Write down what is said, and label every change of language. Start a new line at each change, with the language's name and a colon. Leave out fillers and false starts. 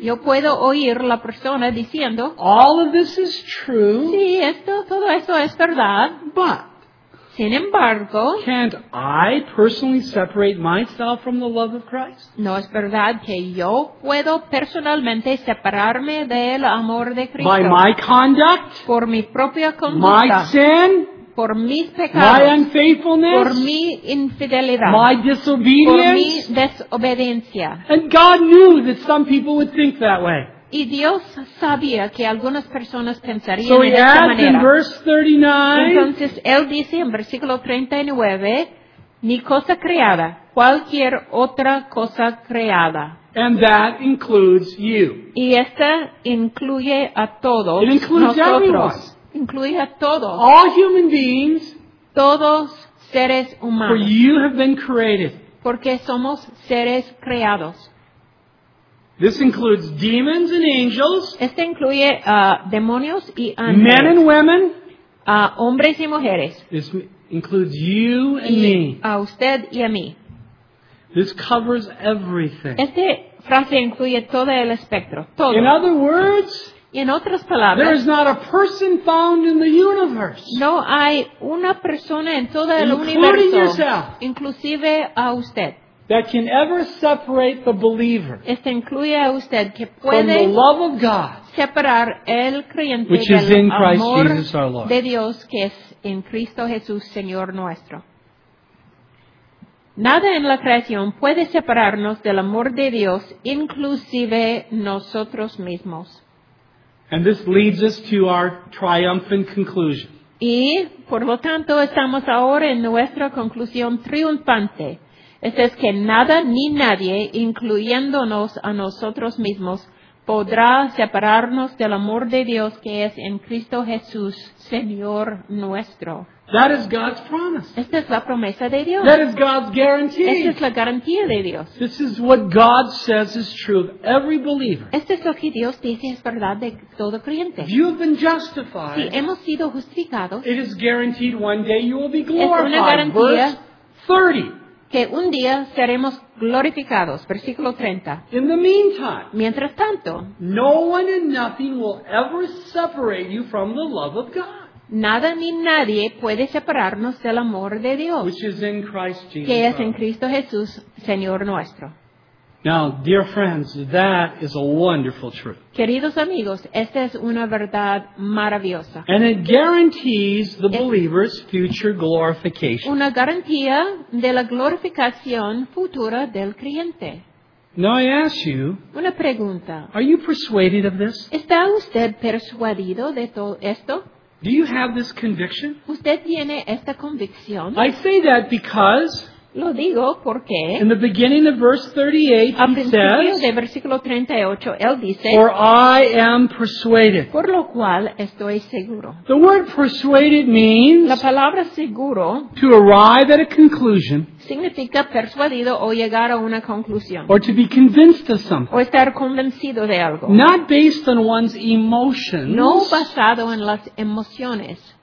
Spanish: yo puedo oír la persona diciendo,
English: all of this is true.
Spanish: Sí, esto, todo esto es verdad.
English: But,
Spanish: sin embargo,
English: can't I personally separate myself from the love of Christ?
Spanish: No es verdad que yo puedo personalmente separarme del amor de Cristo.
English: By my conduct,
Spanish: por mi propia conducta,
English: my sin,
Spanish: por mis pecados,
English: my unfaithfulness,
Spanish: por mi infidelidad,
English: my disobedience,
Spanish: por mi desobediencia.
English: And God knew that some people would think that way.
Spanish: Y Dios sabía que algunas personas pensarían
English: so
Spanish: de esta manera.
English: So he adds in verse 39.
Spanish: Entonces él dice en versículo 39, ni cosa creada, cualquier otra cosa creada.
English: And that includes you.
Spanish: Y esta incluye a todos.
English: It includes
Spanish: nosotros.
English: Everyone.
Spanish: Incluye a todos.
English: All human beings.
Spanish: Todos seres humanos.
English: For you have been created.
Spanish: Porque somos seres creados.
English: This includes demons and angels.
Spanish: Este incluye demonios y ángeles.
English: Men and women.
Spanish: Hombres y mujeres.
English: This includes you and me.
Spanish: A usted y a mí.
English: This covers everything.
Spanish: Esta frase incluye todo el espectro. Todo.
English: In other words,
Spanish: y en otras palabras,
English: there is not a person found in the universe.
Spanish: No hay una persona en todo el universo.
English: Including yourself.
Spanish: Inclusive a usted.
English: That can ever separate the believer.
Spanish: Esto incluye a usted que puede separar el creyente
English: which
Spanish: del
English: is in Christ
Spanish: amor
English: Jesus our Lord.
Spanish: De Dios que es en Cristo Jesús Señor nuestro. Nada en la creación puede separarnos del amor de Dios, inclusive nosotros mismos.
English: And this leads us to our triumphant conclusion.
Spanish: Y por lo tanto estamos ahora en nuestra conclusión triunfante. Esto es que nada ni nadie, incluyéndonos a nosotros mismos, podrá separarnos del amor de Dios que es en Cristo Jesús, Señor nuestro.
English: That is God's promise.
Spanish: Esta es la promesa de Dios.
English: That is God's guarantee.
Spanish: Esta es la garantía de Dios.
English: This is what God says is true of every believer.
Spanish: Esto es lo que Dios dice es verdad de todo creyente.
English: You have been justified.
Spanish: Si hemos sido justificados.
English: It is guaranteed one day you will be glorified.
Spanish: Es una garantía.
English: Verse 30.
Spanish: Que un día seremos glorificados. Versículo 30.
English: In the meantime,
Spanish: mientras tanto,
English: no one and nothing will ever separate you from the love of God.
Spanish: Nada ni nadie puede separarnos del amor de Dios.
English: Which is in Christ Jesus.
Spanish: Que es en Cristo Jesús, Señor nuestro.
English: Now, dear friends, that is a wonderful truth.
Spanish: Queridos amigos, esta es una verdad maravillosa.
English: And it guarantees the believer's future glorification.
Spanish: Una garantía de la glorificación futura del creyente.
English: Now I ask you,
Spanish: una pregunta.
English: Are you persuaded of this?
Spanish: ¿Está usted persuadido de todo esto?
English: Do you have this conviction?
Spanish: ¿Usted tiene esta convicción?
English: I say that because
Spanish: lo digo porque
English: in the beginning of verse 38, he says,
Spanish: de versículo 38, él dice,
English: for I am persuaded.
Spanish: Por lo cual estoy seguro.
English: The word persuaded means
Spanish: la palabra seguro
English: to arrive at a conclusion
Spanish: significa persuadido o llegar a una conclusión
English: or to be convinced of something.
Spanish: O estar convencido de algo.
English: Not based on one's emotions,
Spanish: no basado en las emociones,